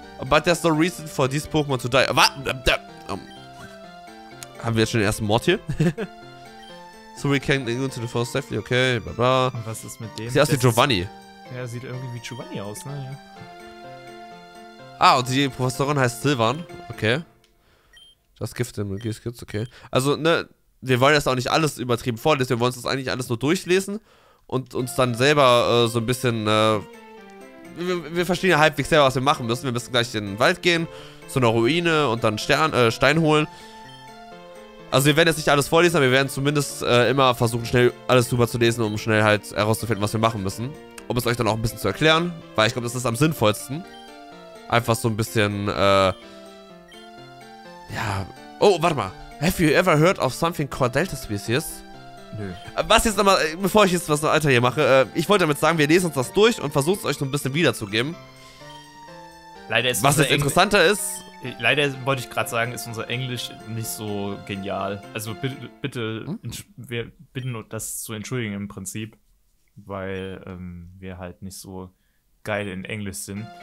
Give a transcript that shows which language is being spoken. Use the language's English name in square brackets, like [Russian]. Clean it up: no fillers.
[English] But there's no reason for these Pokémon to die. [German] Warte! Haben wir jetzt schon den ersten Mord hier? [English] So we can go to the forest safely, okay, bla bla. [German] Und was ist mit dem? Sieht aus wie Giovanni. Ja, sieht irgendwie wie Giovanni aus, ne? Ja. Ah, und die Professorin heißt Silvan. Okay. Das Gift im Gift, okay. Also, ne, wir wollen das auch nicht alles übertrieben vorlesen. Wir wollen das eigentlich alles nur durchlesen und uns dann selber so ein bisschen. Wir verstehen ja halbwegs selber, was wir machen müssen. Wir müssen gleich in den Wald gehen, zu einer Ruine und dann Stein holen. Also, wir werden jetzt nicht alles vorlesen, aber wir werden zumindest immer versuchen, schnell alles drüber zu lesen, um schnell halt herauszufinden, was wir machen müssen. Um es euch dann auch ein bisschen zu erklären, weil ich glaube, das ist am sinnvollsten. Einfach so ein bisschen, ja. Oh, warte mal. [English] Have you ever heard of something called Delta Species? [German] Nö. Was jetzt nochmal, bevor ich jetzt was im Alter hier mache, ich wollte damit sagen, wir lesen uns das durch und versuchen es euch so ein bisschen wiederzugeben. Leider ist was jetzt interessanter ist. Leider wollte ich gerade sagen, ist unser Englisch nicht so genial. Also bitte, wir bitten das zu entschuldigen im Prinzip, weil wir halt nicht so geil in Englisch sind.